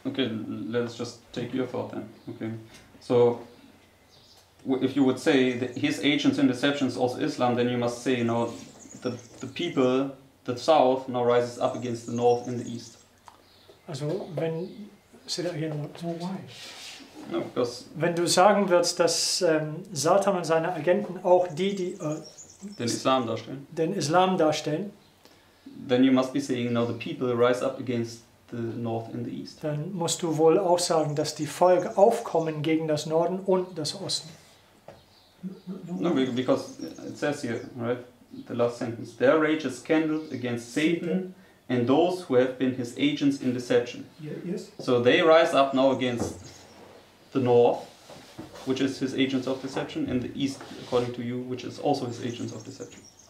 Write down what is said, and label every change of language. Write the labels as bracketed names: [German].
[English] Okay, let's just take your thought then. Okay, so if you would say that his agents in deception is also Islam, then you must say, you know, the people... The south now rises up against the north and the east. [German] Also, wenn... [English] Say that again. So why? No, because... [German] Wenn du sagen würdest, dass Satan und seine Agenten auch die... den Islam darstellen. Den Islam darstellen. [English] Then you must be saying, now the people rise up against the north and the east. [German] Dann musst du wohl auch sagen, dass die Volk aufkommen gegen das Norden und das Osten. [English] No, because it says here, right? The last sentence. Their rage is kindled against Satan and those who have been his agents in deception. Yeah, yes. So they rise up now against the north, which is his agents of deception, and the east, according to you, which is also his agents of deception.